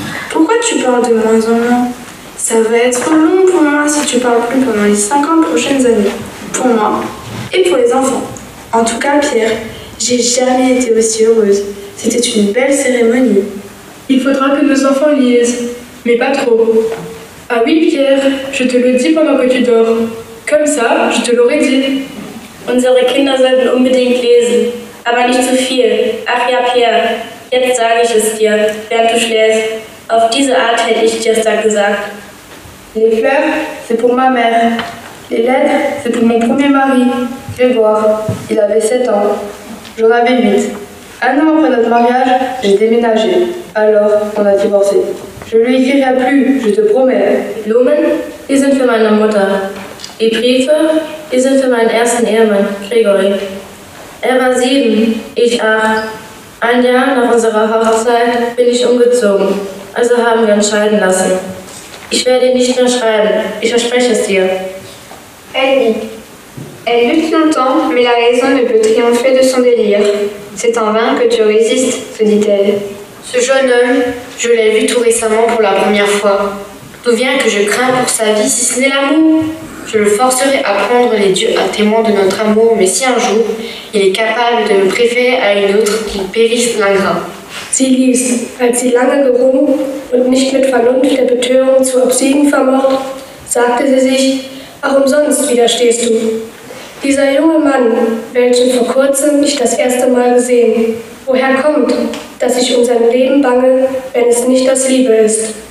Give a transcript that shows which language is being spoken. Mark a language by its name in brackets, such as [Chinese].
[French] Pourquoi tu parles de moins en moins? Ça va être long pour moi si tu parles plus pendant les 50 prochaines années. Pour moi et pour les enfants. En tout cas, Pierre, j'ai jamais été aussi heureuse. C'était une belle cérémonie. Il faudra que nos enfants lisent, mais pas trop. Ah oui, Pierre, je te le dis pendant que tu dors. Comme ça, je te l'aurais dit. [German] Unsere Kinder sollten unbedingt lesen, aber nicht zu viel. Ach ja, Pierre, jetzt sage ich es dir, während du schläfst. Auf diese Art hätte ich dir es dann gesagt. [French] Les fleurs, c'est pour ma mère. Les lettres, c'est pour mon premier mari. Grégoire, il avait 7 ans. J'en avais 8. Un an après notre mariage, j'ai déménagé. Alors, on a divorcé. Je lui écrirai plus, je te promets. [German] Blumen, die sind für meine Mutter. Die Briefe, die sind für meinen ersten Ehemann, Grégory. War 7, ich 8. Ein Jahr nach unserer Hochzeit bin ich umgezogen. Also haben wir uns scheiden lassen. Ich werde nicht mehr schreiben, ich verspreche es dir. Ennie. [French] Elle lutte longtemps, mais la raison ne peut triompher de son délire. C'est en vain que tu résistes, se dit-elle. Ce jeune homme, je l'ai vu tout récemment pour la première fois. D'où vient que je crains pour sa vie si ce n'est l'amour? Je le forcerai à prendre les dieux à témoin de notre amour, mais si un jour, il est capable de me préférer à une autre, qu'il périsse l'ingrat. [German] Sie ließ, als sie lange gerungen und nicht mit Vernunft der Betörung zu obsiegen vermocht, sagte sie sich, ach umsonst widerstehst du. Dieser junge Mann, welchen vor kurzem ich das erste Mal gesehen, woher kommt, dass ich um sein Leben bange, wenn es nicht aus Liebe ist?